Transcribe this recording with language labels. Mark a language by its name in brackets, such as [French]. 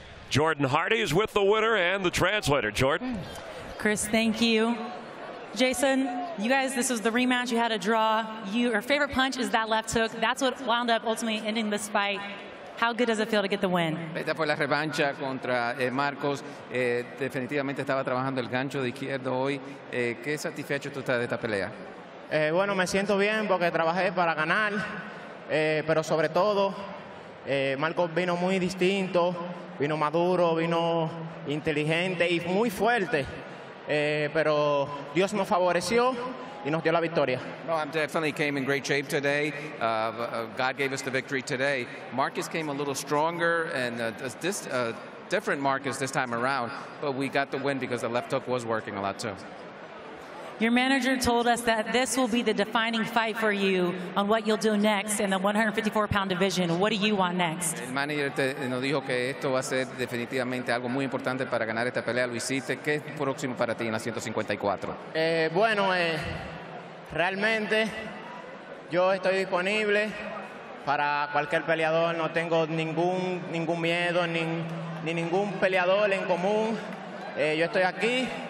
[English] Jordan Hardy is with the winner and the translator. Jordan. Chris, thank you. Jeison, you guys, this was the rematch. You had a draw. Your favorite punch is that left hook. That's what wound up ultimately ending this fight. How good does it feel to get the win? [Spanish] Esta fue la revancha contra Marcos. Definitivamente estaba trabajando el gancho de izquierdo hoy. ¿Qué satisfecho tú estás de esta pelea? Bueno, me siento bien porque trabajé para ganar. Pero sobre todo, Marcos vino muy distinto. Vino maduro, vino inteligente y muy fuerte. Pero Dios nos favoreció y nos dio la victoria. [English] No, I definitely came in great shape today. God gave us the victory today. Marcus came a little stronger and different Marcus this time around. But we got the win because the left hook was working a lot too. Your manager told us that this will be the defining fight for you on what you'll do next in the 154-pound division. What do you want next? [Spanish] El manager nos dijo que esto va a ser definitivamente algo muy importante para ganar esta pelea. Lo hiciste. ¿Qué es próximo para ti en la 154? Bueno, realmente yo estoy disponible para cualquier peleador. No tengo ningún miedo ni ningún peleador en común. Yo estoy aquí